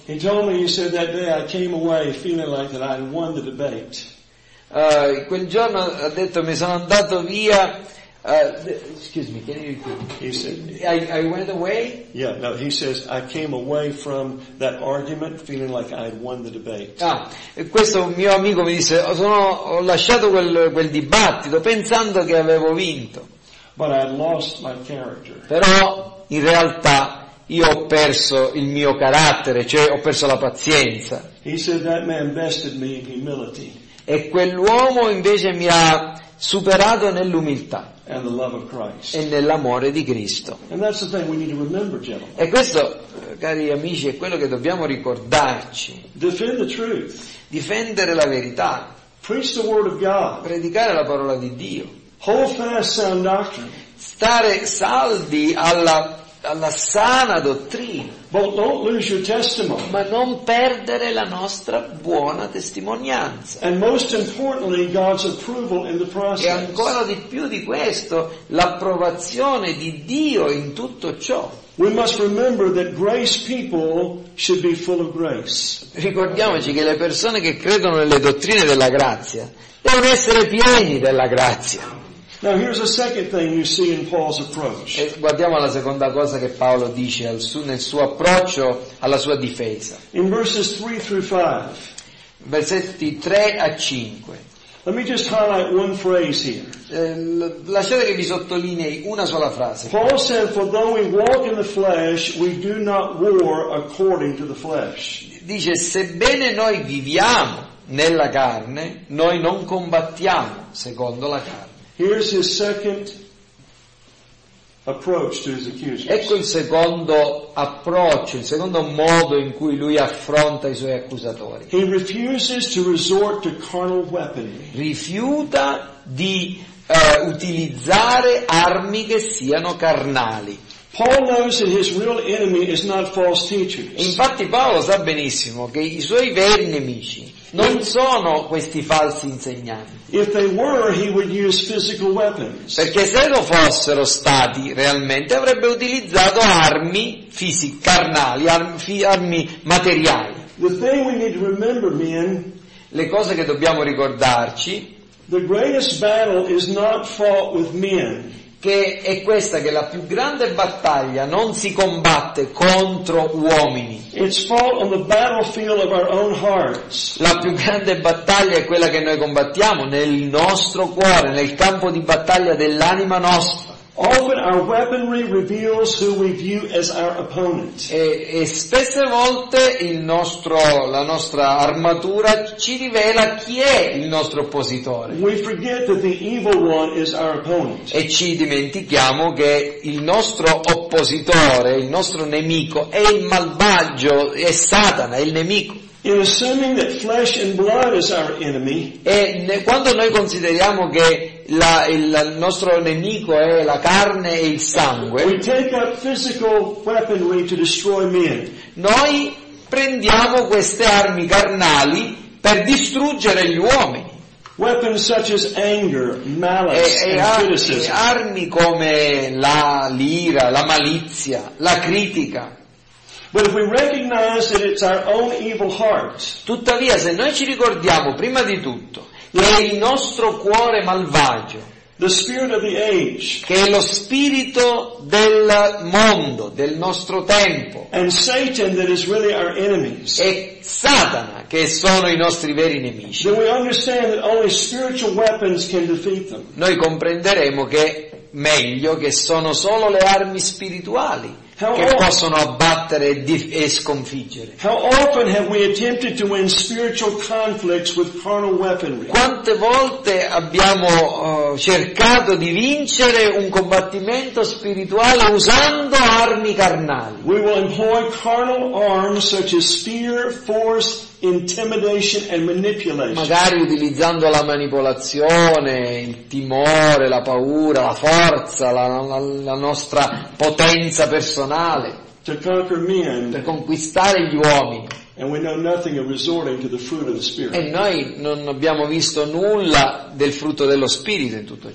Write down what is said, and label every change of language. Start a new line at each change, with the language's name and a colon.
English: He told me, he said, that day I came away feeling like that I had won the debate.
Italian: Quel giorno ha detto mi sono andato via.
English: Excuse me, can you repeat? He said, I went away? Yeah, no, he says, I came away from that argument feeling like I had won the debate.
Italian: Ah, questo mio amico mi disse, ho lasciato quel dibattito pensando che avevo vinto.
English: But I lost my character.
Italian: Però, in realtà, io ho perso il mio carattere, cioè ho perso la pazienza.
English: He said, that man bested me in humility.
Italian: E quell'uomo invece mi ha superato nell'umiltà.
English: And the love of Christ.
Italian: E nell'amore di Cristo.
English: And that's the thing we need to remember, gentlemen.
Italian: E questo, cari amici, è quello che dobbiamo ricordarci.
English: Defend the truth.
Italian: Difendere la verità.
English: Preach the word of God.
Italian: Predicare la parola di Dio.
English: Hold fast sound doctrine.
Italian: Stare saldi alla sana dottrina.
English: But don't lose your testimony.
Italian: Ma non perdere la nostra buona testimonianza.
English: And most importantly, God's approval in the process.
Italian: E ancora di più di questo, l'approvazione di Dio in tutto ciò.
English: We must remember that grace people should be full of grace.
Italian: Ricordiamoci che le persone che credono nelle dottrine della grazia devono essere pieni della grazia.
English: Now here's a second thing you see in Paul's approach.
Italian: E guardiamo la seconda cosa che Paolo dice nel suo approccio alla sua difesa.
English: In verses 3 through 5.
Italian: Versetti 3 a 5.
English: Let me just highlight one phrase here.
Italian: Lasciate che vi sottolinei una sola frase.
English: Paul said, for though we walk in the flesh, we do not war according to the flesh.
Italian: Dice, sebbene noi viviamo nella carne, noi non combattiamo secondo la carne.
English: Here's his second approach to his accusers.
Italian: Ecco il secondo approccio, il secondo modo in cui lui affronta i suoi accusatori.
English: He refuses to resort to carnal weaponry.
Italian: Rifiuta di utilizzare armi che siano carnali.
English: Paul knows that his real enemy is not false teachers.
Italian: Infatti Paolo sa benissimo che i suoi veri nemici non sono questi falsi insegnanti.
English: If they were, he would use physical weapons.
Italian: Perché se lo fossero stati realmente avrebbe utilizzato armi fisiche, carnali, armi materiali.
English: The thing we need to remember, men,
Italian: le cose che dobbiamo ricordarci,
English: the greatest battle is not fought with men.
Italian: che è questa, che la più grande battaglia non si combatte contro uomini.
English: It's fought on the battlefield of our own hearts.
Italian: La più grande battaglia è quella che noi combattiamo nel nostro cuore, nel campo di battaglia dell'anima nostra.
English: Often our weaponry reveals who we view as our opponent.
Italian: E spesse volte la nostra armatura ci rivela chi è il nostro oppositore.
English: We forget that the evil one is our opponent.
Italian: E ci dimentichiamo che il nostro oppositore, il nostro nemico, è il malvagio, è Satana, è il nemico.
English: In assuming that flesh and blood is our enemy.
Italian: E quando noi consideriamo che il nostro nemico è la carne e il sangue,
English: we take up physical weaponry to destroy men.
Italian: Noi prendiamo queste armi carnali per distruggere gli uomini.
English: Weapons such as anger, malice, and criticism.
Italian: Armi come l'ira, la malizia, la critica.
English: But if we recognize that it's our own evil heart.
Italian: Tuttavia, se noi ci ricordiamo prima di tutto che è il nostro cuore malvagio,
English: the spirit of the age,
Italian: che è lo spirito del mondo, del nostro tempo,
English: and Satan that is really our enemies,
Italian: e Satana che sono i nostri veri nemici,
English: then we understand that only spiritual weapons can defeat them.
Italian: Noi comprenderemo che meglio che sono solo le armi spirituali che possono abbattere e sconfiggere.
English: How often have we attempted to win spiritual conflicts with carnal weaponry?
Italian: Quante volte abbiamo cercato di vincere un combattimento spirituale usando armi carnali?
English: We will employ carnal arms such as fear, force, intimidation and manipulation.
Italian: Magari utilizzando la manipolazione, il timore, la paura, la forza, la nostra potenza personale
English: to conquer men,
Italian: per conquistare gli uomini.
English: And we know nothing of resorting to the fruit of the Spirit.
Italian: E noi non abbiamo visto nulla del frutto dello Spirito in tutto ciò.